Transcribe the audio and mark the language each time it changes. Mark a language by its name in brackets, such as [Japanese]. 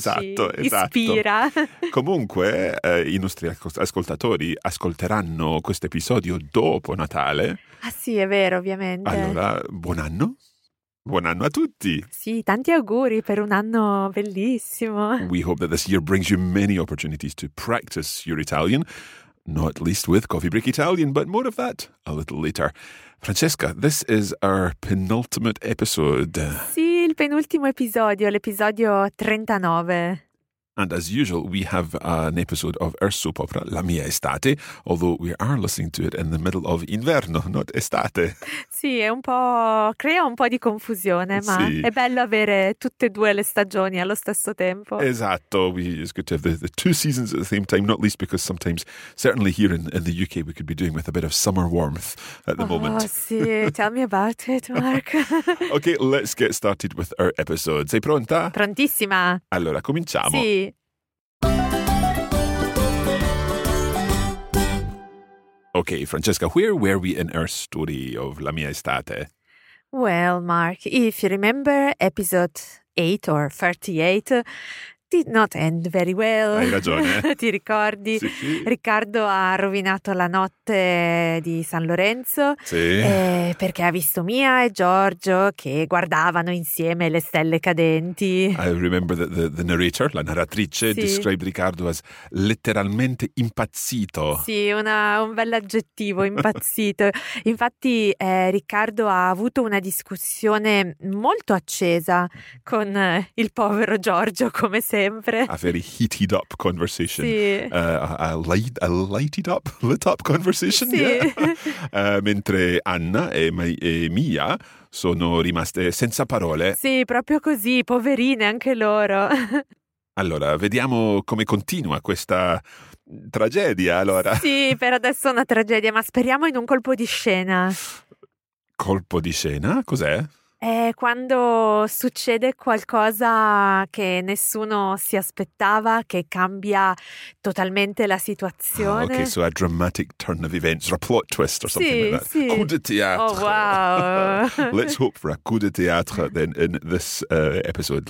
[Italian] ci ispira. Comunque, i nostri ascoltatori ascolteranno questo episodio dopo Natale. Ah sì, è vero, ovviamente. Allora, buon anno. Buon anno a tutti! Sì, tanti auguri per un anno bellissimo! [English] We hope that this year brings you many opportunities to practice your Italian, not least with Coffee Break Italian, but more of that a little later. Francesca, this is our penultimate episode. [Italian] Sì, il penultimo episodio, l'episodio 39. [English] And as usual, we have an episode of our soap opera, La Mia Estate, although we are listening to it in the middle of inverno, not estate. [Italian] Sì, è un po'... crea un po' di confusione, ma sì. È bello avere tutte e due le stagioni allo stesso tempo. [English] Esatto, it's good to have the two seasons at the same time, not least because sometimes, certainly here in the UK, we could be doing with a bit of summer warmth at the moment. Oh, sì, tell me about it, Mark. Okay, let's get started with our episode. [Italian] Sei pronta? Prontissima. Allora, cominciamo. Sì. [English] Okay, Francesca, where were we in our story of La Mia Estate? Well, Mark, if you remember, episode 8 or 38 did not end very well. [Italian] Hai ragione. Ti ricordi? Sì, sì. Riccardo ha rovinato la notte di San Lorenzo. Sì. Perché ha visto Mia e Giorgio che guardavano insieme le stelle cadenti. [English] I remember that the narrator, [Italian] la narratrice, sì, [English] described Riccardo as [Italian] letteralmente impazzito. Sì, un bel aggettivo, impazzito. Infatti Riccardo ha avuto una discussione molto accesa con il povero Giorgio, come sempre. [English] A very heated up conversation. [Italian] Sì. [English] A lit up conversation. [Italian] Sì. [English] Yeah. [Italian] Mentre Anna e Mia sono rimaste senza parole. Sì, proprio così, poverine anche loro. Allora, vediamo come continua questa tragedia, allora. Sì, per adesso è una tragedia, ma speriamo in un colpo di scena. Colpo di scena? Cos'è? È quando succede qualcosa che nessuno si aspettava, che cambia totalmente la situazione. [English] Oh, ok, so a dramatic turn of events, or a plot twist or something, [Italian] sì, [English] like that. [Italian] Sì. [French] Coup de théâtre. [English] Oh, wow. Let's hope for a coup de théâtre then in this episode.